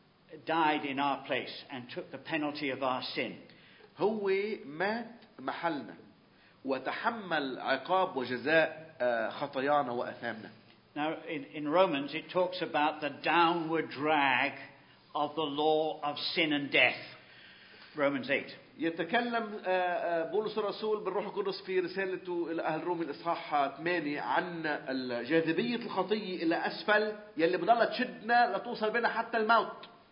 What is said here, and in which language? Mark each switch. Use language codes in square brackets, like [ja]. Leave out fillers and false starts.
[en] He died in our place and took the penalty of our sin. [ar] هو مات محلنا وتحمل عقاب وجزاء خطايانا وأثامنا. [en] Now, in Romans, it talks about the downward drag of the law of sin and death. Romans 8. [ar] يتكلم بولس الرسول بالروح القدس في رسالته إلى أهل روم الإصحاح 8 عن جاذبية الخطية إلى أسفل يلي بضل تشدنا لتوصل بنا حتى الموت.